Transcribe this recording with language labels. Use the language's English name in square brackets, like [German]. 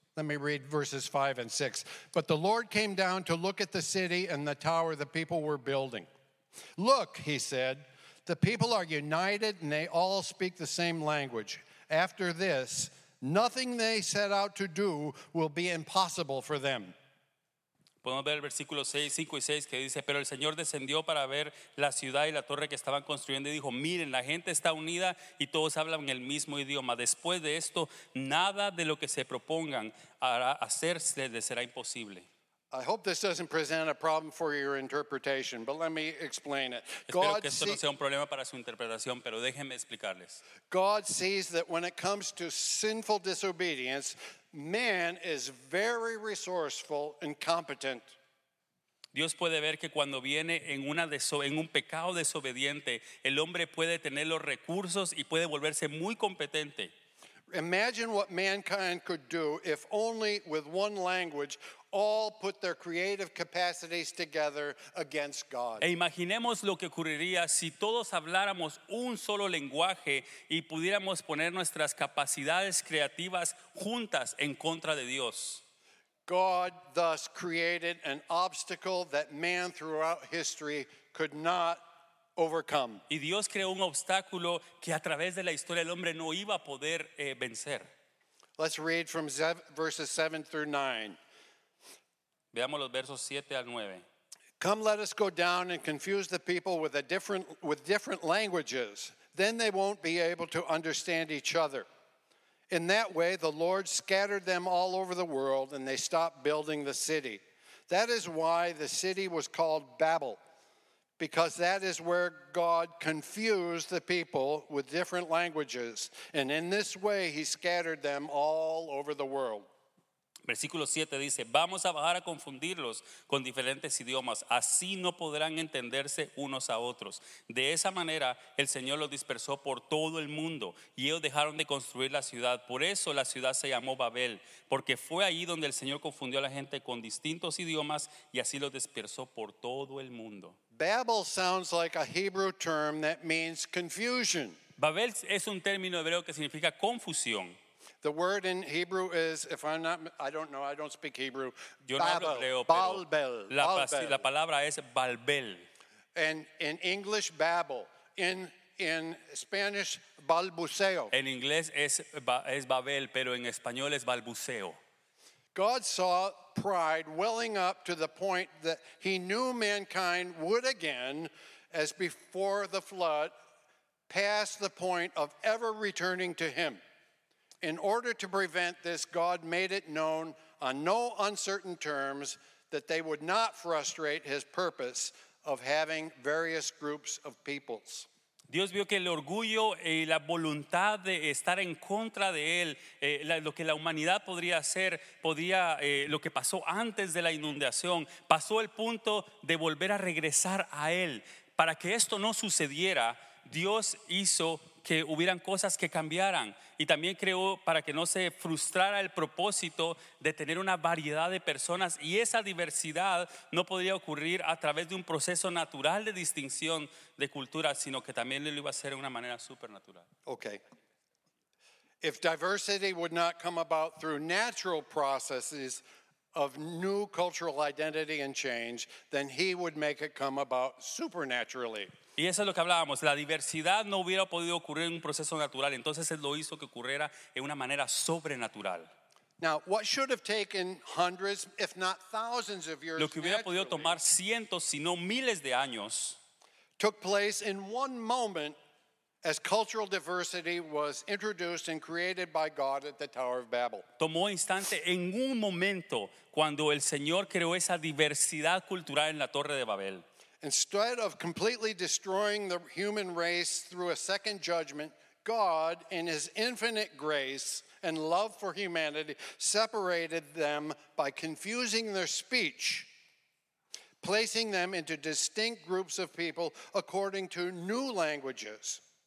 [English] Let me read verses 5 and 6. But the Lord came down to look at the city and the tower the people were building. Look, he said, the people are united and they all speak the same language. After this, nothing they set out to do will be impossible for them. [Spanish] Podemos ver el versículo 5 y 6 que dice, pero el Señor descendió para ver la ciudad y la torre que estaban construyendo y dijo, miren, la gente está unida y todos hablan el mismo idioma. Después de esto, nada de lo que se propongan hará hacerse les será imposible. [English] I hope this doesn't present a problem for your interpretation, but let me explain it. [Spanish] God, espero que esto no sea un problema para su interpretación, pero déjenme explicarles. [English] God sees that when it comes to sinful disobedience, man is very resourceful and competent. [Spanish] Dios puede ver que cuando viene en un pecado desobediente, el hombre puede tener los recursos y puede volverse muy competente. [English] Imagine what mankind could do if only with one language all put their creative capacities together against God. [Spanish] E imaginemos lo que ocurriría si todos habláramos un solo lenguaje y pudiéramos poner nuestras capacidades creativas juntas en contra de Dios. [English] God thus created an obstacle that man throughout history could not overcome. [Spanish] Y Dios creó un obstáculo que a través de la historia el hombre no iba a poder vencer. [English] Let's read from verses 7 through 9. [Spanish] Veamos los versos 7 al 9. [English] Come, let us go down and confuse the people with different languages. Then they won't be able to understand each other. In that way, the Lord scattered them all over the world, and they stopped building the city. That is why the city was called Babel, because that is where God confused the people with different languages. And in this way, he scattered them all over the world. [Spanish] Versículo 7 dice, vamos a bajar a confundirlos con diferentes idiomas. Así no podrán entenderse unos a otros. De esa manera, el Señor los dispersó por todo el mundo y ellos dejaron de construir la ciudad. Por eso la ciudad se llamó Babel, porque fue ahí donde el Señor confundió a la gente con distintos idiomas y así los dispersó por todo el mundo. [English] Babel sounds like a Hebrew term that means confusion. [Spanish] Babel es un término hebreo que significa confusión. [English] The word in Hebrew is, if I'm not, I don't know, I don't speak Hebrew. [Spanish] Yo no hablo hebreo, Babel. La palabra es Babel. [English] And in English, Babel. In Spanish, balbuceo. [Spanish] En inglés es Babel, pero en español es balbuceo. [English] God saw pride welling up to the point that he knew mankind would again, as before the flood, pass the point of ever returning to him. In order to prevent this, God made it known on no uncertain terms that they would not frustrate his purpose of having various groups of peoples. [Spanish] Dios vio que el orgullo y la voluntad de estar en contra de él, lo que la humanidad podría hacer, lo que pasó antes de la inundación, pasó el punto de volver a regresar a él. Para que esto no sucediera, Dios hizo que hubieran cosas que cambiaran. Y también creó para que no se frustrara el propósito de tener una variedad de personas. Y esa diversidad no podría ocurrir a través de un proceso natural de distinción de culturas, sino que también lo iba a hacer de una manera supernatural. [English] Okay. If diversity would not come about through natural processes of new cultural identity and change, then he would make it come about supernaturally. [Spanish] Y eso es lo que hablábamos. La diversidad no hubiera podido ocurrir en un proceso natural. Entonces él lo hizo que ocurriera en una manera sobrenatural. [English] Now, what should have taken hundreds, if not thousands of years, [Spanish] lo que hubiera podido tomar cientos, si no miles de años, [English] took place in one moment as cultural diversity was introduced and created by God at the Tower of Babel. [Spanish] Tomó instante en un momento cuando el Señor creó esa diversidad cultural en la Torre de Babel. [English] Instead of completely destroying the human race through a second judgment, God, in his infinite grace and love for humanity, separated them by confusing their speech, placing them into distinct groups of people according to new languages.